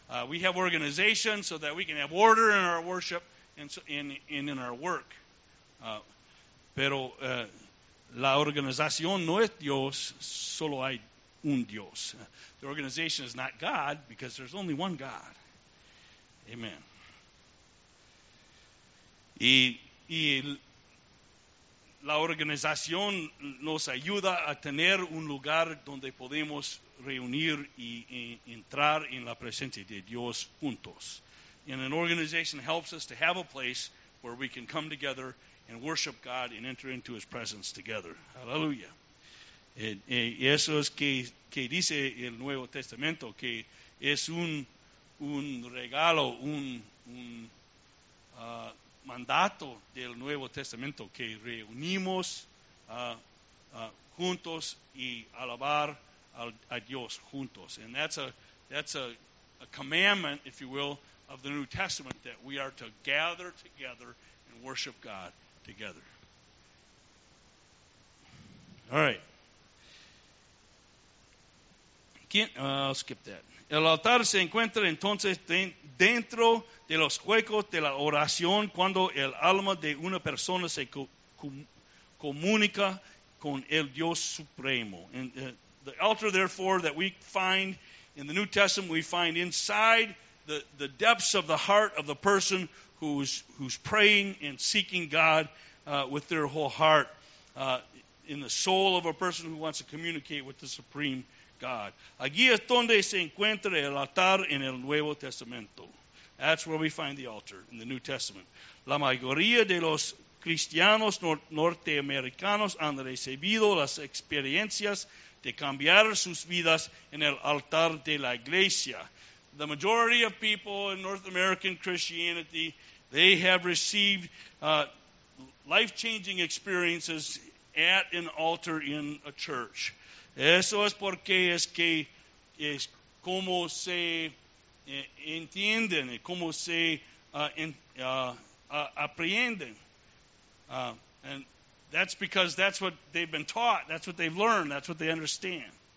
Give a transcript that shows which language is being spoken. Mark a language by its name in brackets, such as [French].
[English] We have organizations so that we can have order in our worship and in our work. [Spanish] Pero la organización no es Dios, solo hay un Dios. [English] The organization is not God because there's only one God. Amen. [Spanish] Y la organización nos ayuda a tener un lugar donde podemos reunir y entrar en la presencia de Dios juntos. [English] And an organization helps us to have a place where we can come together and worship God and enter into His presence together. Hallelujah. [Spanish] Y eso es que dice el Nuevo Testamento, que es un regalo, un mandato del Nuevo Testamento, que reunimos juntos y alabar a Dios juntos. [English] And that's a commandment, if you will, of the New Testament, that we are to gather together and worship God together. All right. I'll skip that. [Spanish] El altar se encuentra entonces dentro de los huecos de la oración cuando el alma de una persona se comunica con el Dios Supremo. [English] And the altar, therefore, that we find in the New Testament, we find inside the depths of the heart of the person who's praying and seeking God with their whole heart, in the soul of a person who wants to communicate with the Supreme God. [Spanish] Aquí es donde se encuentra el altar en el Nuevo Testamento. [English] That's where we find the altar in the New Testament. [Spanish] La mayoría de los cristianos norteamericanos han recibido las experiencias de cambiar sus vidas en el altar de la iglesia. [English] The majority of people in North American Christianity, they have received life-changing experiences at an altar in a church. [Spanish] Eso es porque es que es como se entienden, como se aprenden. [English] And that's because that's what they've been taught, that's what they've learned, that's what they understand.